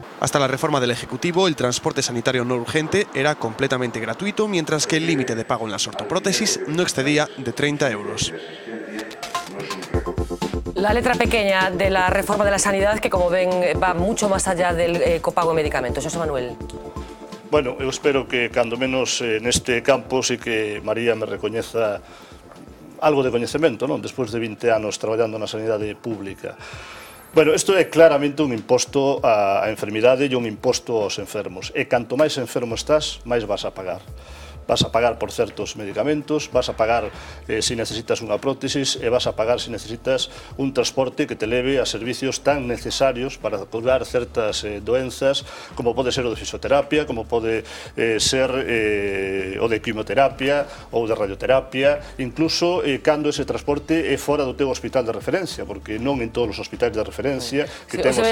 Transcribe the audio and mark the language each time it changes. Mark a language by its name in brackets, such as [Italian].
[Spanish] Hasta la reforma del Ejecutivo, el transporte sanitario no urgente era completamente gratuito, mientras que el límite de pago en las ortoprótesis no excedía de 30 euros. La letra pequeña de la reforma de la sanidad, que como ven va mucho más allá del copago en medicamentos. José Manuel. [Galician] Bueno, eu espero que cando menos neste campo sí que María me recoñeza algo de coñecemento, non? Despois de 20 anos traballando na sanidade pública. Bueno, isto é claramente un imposto á enfermidade e un imposto aos enfermos. E canto máis enfermo estás, máis vas a pagar. Vas a pagar por certos medicamentos, vas a pagar se necesitas unha prótesis e vas a pagar se necesitas un transporte que te leve a servicios tan necesarios para curar certas doenzas, como pode ser o de fisioterapia, como pode ser o de quimioterapia ou de radioterapia, incluso cando ese transporte é fora do teu hospital de referencia, porque non en todos os hospitales de referencia que sí, temos.